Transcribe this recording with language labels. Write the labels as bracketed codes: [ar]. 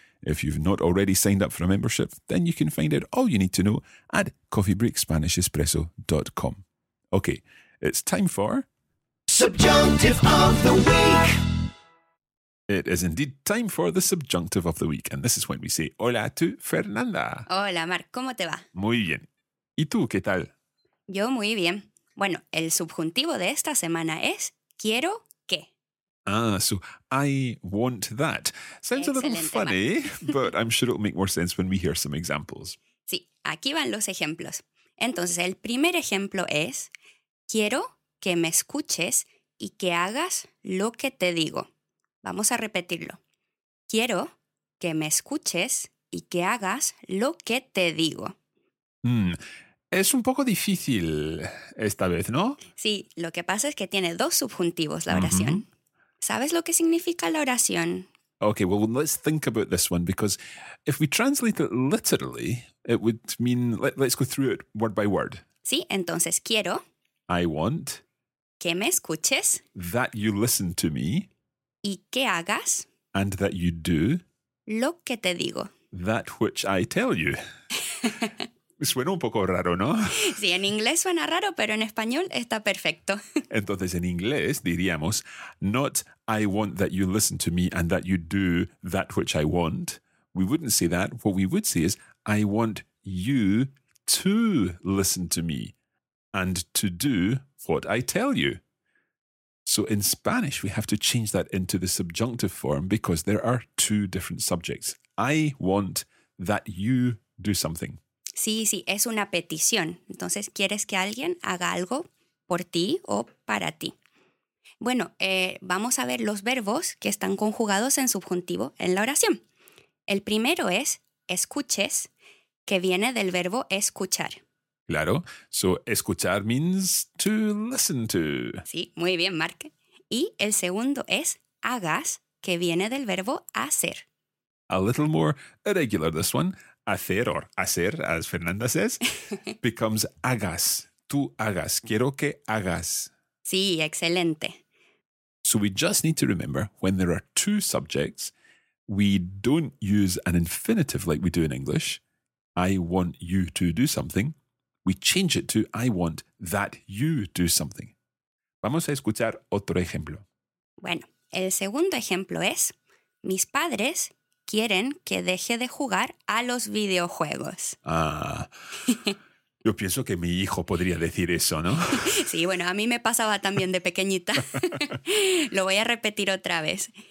[en] If you've not already signed up for a membership, then you can find out all you need to know at coffeebreakspanishespresso.com. Okay, it's time for... Subjunctive of the Week! It is indeed time for the subjunctive of the week, and this is when we say hola to Fernanda. [es] Hola, Marc, ¿cómo te va? Muy bien. ¿Y tú, qué tal? Yo muy bien. Bueno, el subjuntivo de esta semana es quiero que. [en] Ah, so I want that. Sounds [es] excelente, [en] a little funny, Marc. But I'm sure it'll make more sense when we hear some examples. [es] Sí, aquí van los ejemplos. Entonces, el primer ejemplo es quiero que me escuches y que hagas lo que te digo. Vamos a repetirlo. Quiero que me escuches y que hagas lo que te digo. Es un poco difícil esta vez, ¿no? Sí, lo que pasa es que tiene dos subjuntivos la oración. Uh-huh. ¿Sabes lo que significa la oración? [en] Okay, well, let's think about this one, because if we translate it literally, it would mean, let's go through it word by word. [es] Sí, entonces quiero. [en] I want. [es] Que me escuches. [en] That you listen to me. [es] Y que hagas. [en] And that you do. [es] Lo que te digo. [en] That which I tell you. [es] Suena un poco raro, ¿no? Sí, en inglés suena raro, pero en español está perfecto. Entonces, en inglés diríamos, [en] not I want that you listen to me and that you do that which I want. We wouldn't say that. What we would say is, I want you to listen to me and to do what I tell you. So in Spanish, we have to change that into the subjunctive form because there are two different subjects. I want that you do something. [es] Sí, sí, es una petición. Entonces, ¿quieres que alguien haga algo por ti o para ti? Bueno, vamos a ver los verbos que están conjugados en subjuntivo en la oración. El primero es escuches, que viene del verbo escuchar. [en] Claro, so escuchar means to listen to. [es] Sí, muy bien, Marc. Y el segundo es hagas, que viene del verbo hacer. [en] A little more irregular this one. Hacer, or hacer, as Fernanda says, becomes hagas. [es] Tú hagas. Quiero que hagas. Sí, excelente. [en] So we just need to remember, when there are two subjects, we don't use an infinitive like we do in English. I want you to do something. We change it to I want that you do something. [es] Vamos a escuchar otro ejemplo. Bueno, el segundo ejemplo es, mis padres quieren que deje de jugar a los videojuegos. Ah, yo pienso que mi hijo podría decir eso, ¿no? Sí, bueno, a mí me pasaba también de pequeñita. Lo voy a repetir otra vez.